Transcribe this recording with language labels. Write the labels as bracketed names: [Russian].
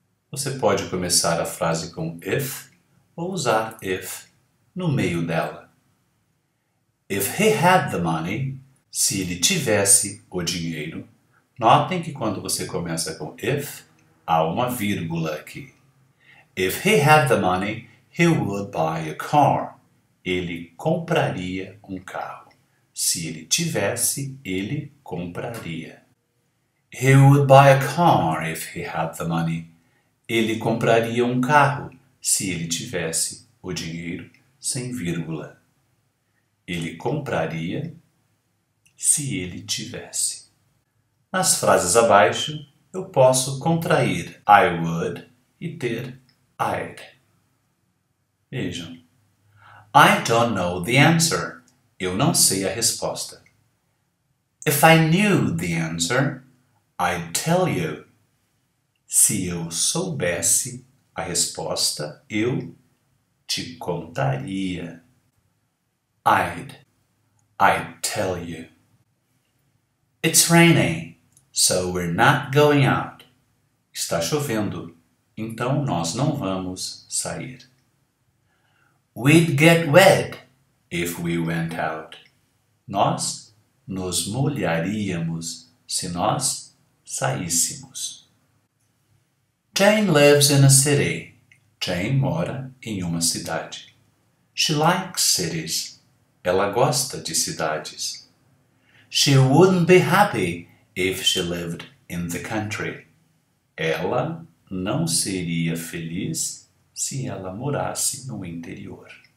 [Portuguese] Você pode começar a frase com if ou usar if no meio dela. [English] If he had the money, [Portuguese] se ele tivesse o dinheiro. Notem que quando você começa com if, há uma vírgula aqui. [English] If he had the money, he would buy a car. [Portuguese] Ele compraria um carro. Se ele tivesse, ele compraria. [English] He would buy a car if he had the money. [Portuguese] Ele compraria um carro se ele tivesse o dinheiro, sem vírgula. Ele compraria se ele tivesse. Nas frases abaixo, eu posso contrair I would e ter I'd. Vejam. [English] I don't know the answer. [Portuguese] Eu não sei a resposta. [English] If I knew the answer, I'd tell you. [Portuguese] Se eu soubesse a resposta, eu te contaria. [English] I'd tell you. It's raining. So we're not going out. [Portuguese] Está chovendo, então nós não vamos sair. [English] We'd get wet if we went out. [Portuguese] Nós nos molharíamos se nós saíssemos. [English] Jane lives in a city. [Portuguese] Jane mora em uma cidade. [English] She likes cities. [Portuguese] Ela gosta de cidades. [English] She wouldn't be happy if she lived in the country. [Portuguese] Ela não seria feliz se ela morasse no interior.